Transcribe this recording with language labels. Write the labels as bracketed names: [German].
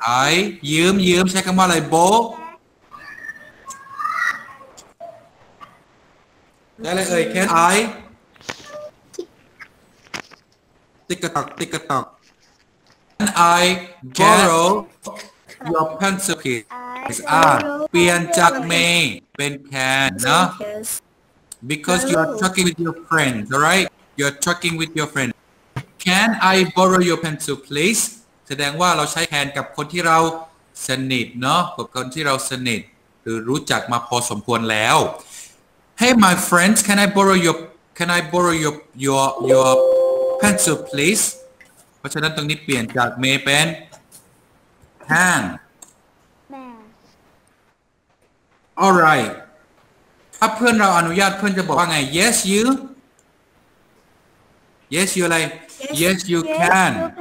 [Thai] I ยืมใช้คำว่าอะไรโบ๊ะได้เลยเอ่ย [English] Can I? ติ๊กตอก Can I borrow your pencil please? [Thai] เปลี่ยนจาก may เป็น can นะ [English] Because you are talking with your friends, alright? You are talking with your friendsCan I borrow your pencil, please? [Thai] แสดงว่าเราใช้ can กับคนที่เราสนิทเนาะกับคนที่เราสนิทหรือรู้จักมาพอสมควรแล้ว [English] Hey my friends, can I borrow your pencil, please? [Thai] เพราะฉะนั้นตรงนี้เปลี่ยนจาก may เป็น can. [English] All right. [Thai] ถ้าเพื่อนเราอนุญาตเพื่อนจะบอกว่าไง [English] Yes, you. Yes, you [Thai] อะไร [English] Yes, you can.